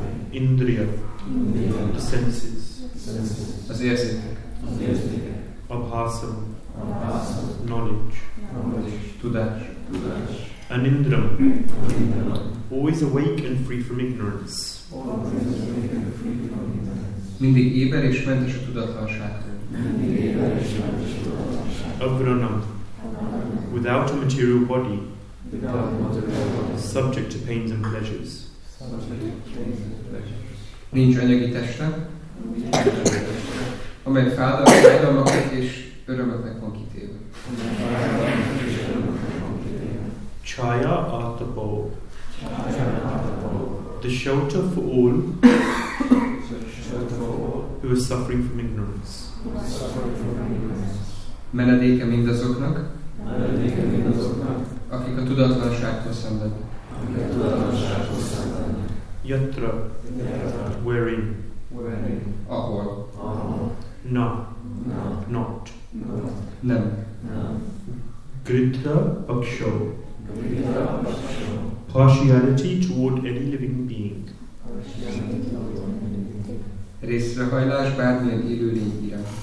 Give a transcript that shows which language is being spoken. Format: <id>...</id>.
<en>Indriya, the senses,</en> <hu>az érzékek,</hu> <sa>Abhasam,</sa> <en>knowledge,</en> <hu>tudás,</hu> <sa>Anindram,</sa> <en>always awake and free from ignorance,</en> <hu>mindig éber és mentes a tudatlanságtól.</hu> <en>Avranam, without a material body, subject to pains and pleasures.</en> <hu>Nincs anyagi teste. Amely fáda, fájdalmaknak és örömöknek van kitéve.</hu> <sa>Chaya Atapo.</sa> <en>The shelter for all who are suffering from ignorance.</en> <hu>Menedéke mindazoknak, akik a tudatlanságtól szenvednek.</hu> <en>Yatra, wherein,</en> <hu>ahol,</hu> <sa>na,</sa> <en>not,</en> <hu>nem,</hu> <sa>Gritra Paksho,</sa> <en>partiality toward any living being,</en> <hu>részrehajlás bármilyen élő lényre,</hu>